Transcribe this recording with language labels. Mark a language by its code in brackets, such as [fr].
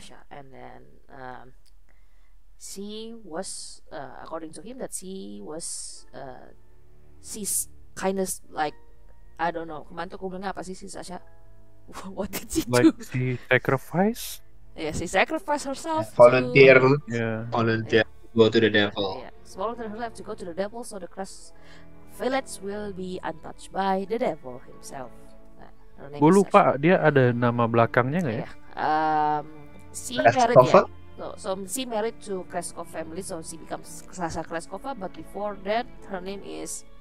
[en] and then she's kind of like, I don't know, [id] kemarin tuh kubilangnya apa sih si Sasha? [en] What did she do? Like she sacrifice? Yeah, she sacrifice herself. Volunteer. To... Yeah. Volunteer. Yeah. Go to the devil. Yeah. So volunteer herself to go to the devil, so the Crash village will be untouched by the devil himself. [id] Gue lupa, dia ada nama belakangnya gak ya? [en] Yeah. She married to Kreskov family, so she becomes Sasha Kreskova, but before that, her name is...